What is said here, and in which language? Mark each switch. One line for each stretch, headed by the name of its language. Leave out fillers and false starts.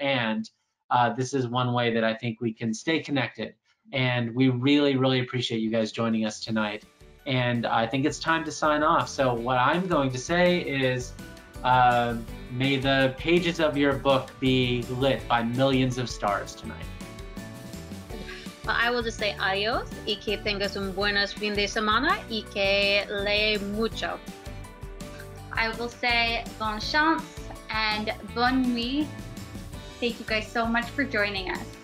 English: And this is one way that I think we can stay connected. And we really, really appreciate you guys joining us tonight. And I think it's time to sign off. So what I'm going to say is, may the pages of your book be lit by millions of stars tonight. Well, I will just say
Spanish: adios y que tengas un buenos fin de semana y que lee mucho.
English: I will say
French: bonne chance
English: and
French: bonne nuit.
English: Thank you guys so much for joining us.